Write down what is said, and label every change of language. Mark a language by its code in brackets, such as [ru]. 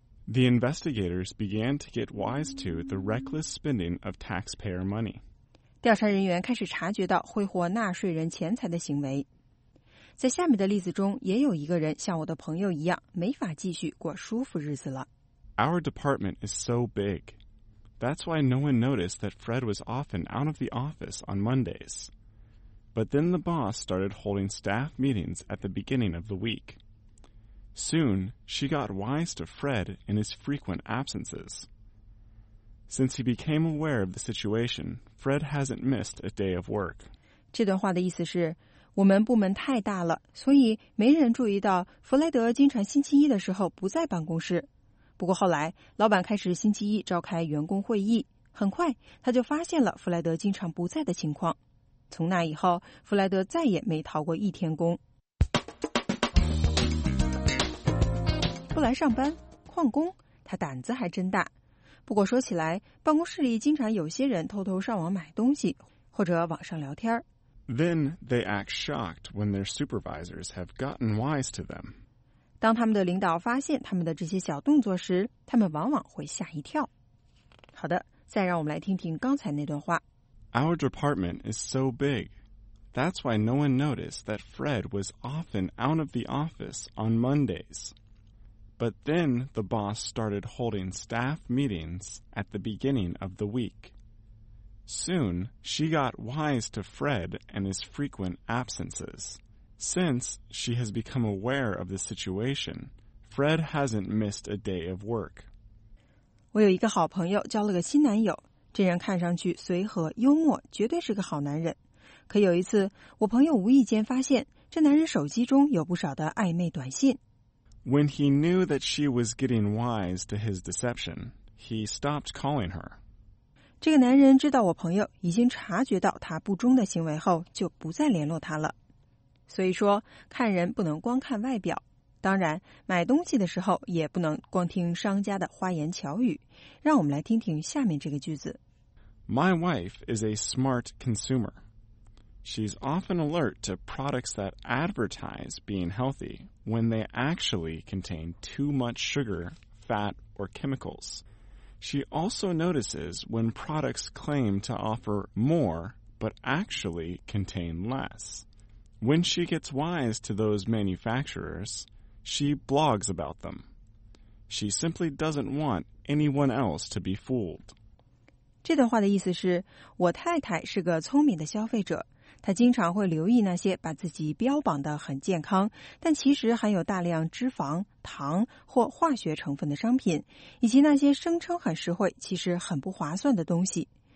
[en] The investigators began to get wise to the reckless spending of taxpayer money. [zh] 调查人员开始察觉到挥霍纳税人钱财的行为。在下面的例子中，也有一个人像我的朋友一样，没法继续过舒服日子了。 [en] Our department is so big. That's why no one noticed that Fred was often out of the office on Mondays. But then the boss started holding staff meetings at the beginning of the week. Soon, she got wise to Fred in his frequent absences. Since he became aware of the situation, Fred hasn't missed a day of work. [zh] 这段话的意思是，我们部门太大了，所以没人注意到弗莱德经常星期一的时候不在办公室。不过后来，老板开始星期一召开员工会议，很快他就发现了弗莱德经常不在的情况。从那以后，弗莱德再也没逃过一天工。不来上班，旷工，他胆子还真大。不过说起来，办公室里经常有些人偷偷上网买东西，或者网上聊天。 [en] Then they act shocked when their supervisors have gotten wise to them. [zh] 当他们的领导发现他们的这些小动作时，他们往往会吓一跳。好的，再让我们来听听刚才那段话。 [en] Our department is so big. That's why no one noticed that Fred was often out of the office on Mondays. But then the boss started holding staff meetings at the beginning of the week. Soon, she got wise to Fred and his frequent absences. Since she has become aware of the situation, Fred hasn't missed a day of work. [zh] 我有一个好朋友交了个新男友，这人看上去随和幽默，绝对是个好男人。可有一次，我朋友无意间发现，这男人手机中有不少的暧昧短信。 [en] When he knew that she was getting wise to his deception, he stopped calling her. [zh] 这个男人知道我朋友已经察觉到他不忠的行为后，就不再联络他了。所以说，看人不能光看外表。当然，买东西的时候也不能光听商家的花言巧语。让我们来听听下面这个句子。 [en] My wife is a smart consumer. She's often alert to products that advertise being healthy. When they actually contain too much sugar, fat, or chemicals. She also notices when products claim to offer more, but actually contain less. When she gets wise to those manufacturers, she blogs about them. She simply doesn't want anyone else to be fooled. [zh] 这段话的意思是，我太太是个聪明的消费者。他经常会留意那些把自己标榜得很健康，但其实含有大量脂肪、糖或化学成分的商品，以及那些声称很实惠，其实很不划算的东西。